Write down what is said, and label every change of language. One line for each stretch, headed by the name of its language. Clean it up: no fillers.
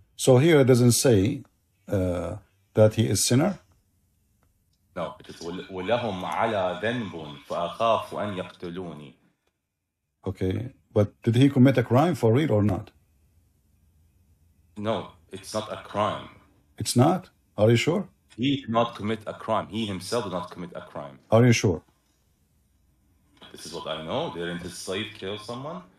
English: So here it doesn't say that he is sinner? No, it is
Arabic: وَلَهُمْ عَلَىٰ ذَنْبٌ فَأَخَافُ أَنْ يَقْتُلُونِي.
English: Okay, but did he commit a crime for real or not? No, it's not a crime. It's not? Are you sure? He did not commit a crime. He himself did not commit a crime. Are you sure? This is what I know. Didn't his slave kill someone?